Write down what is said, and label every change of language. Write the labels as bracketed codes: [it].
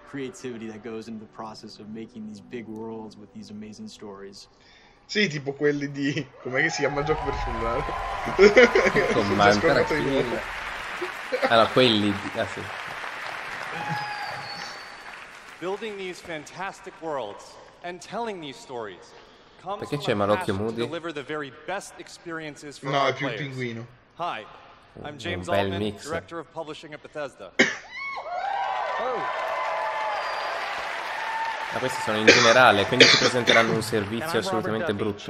[en] Creativity that goes into the process of making these big worlds with these amazing stories. [it] Sì, tipo quelli di com'è che si chiama il gioco per cellulare? Commentare. Allora quelli di sì. [en] Building these fantastic worlds and telling these stories. [it] Perché c'è Malocchio Moody? No, è più il pinguino. [en] Hi, I'm James Altman, director of publishing at Bethesda. Oh. [it] Ma questi sono in generale, quindi ci presenteranno un servizio assolutamente brutto.